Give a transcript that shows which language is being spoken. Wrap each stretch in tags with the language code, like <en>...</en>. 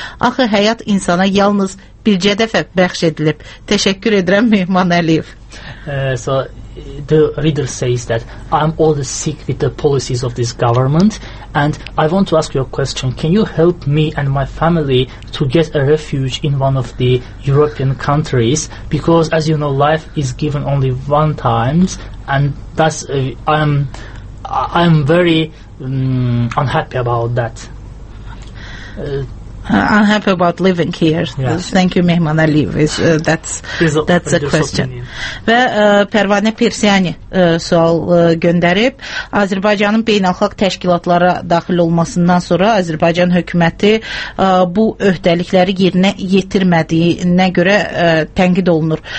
<az>Axı həyat insana yalnız bircə dəfə bəxş edilib. Təşəkkür edirəm, Mehman Əliyev.</az> <en>So the reader says that I'm all the sick with the policies of this government and I want to ask you a question. Can you help me and my family to get a refuge in one of the European countries? Because as you know, life is given only one time and that's I'm very unhappy about that. Unhappy about living here. Yes. Thank you, Mehman Aliyev. That's a question.</en> <az>Və Pərvanə Persiyani sual göndərib. Azərbaycanın beynəlxalq təşkilatlara daxil olmasından sonra Azərbaycan hökuməti bu öhdəlikləri yerinə yetirmədiyinə görə tənqid olunur.</az>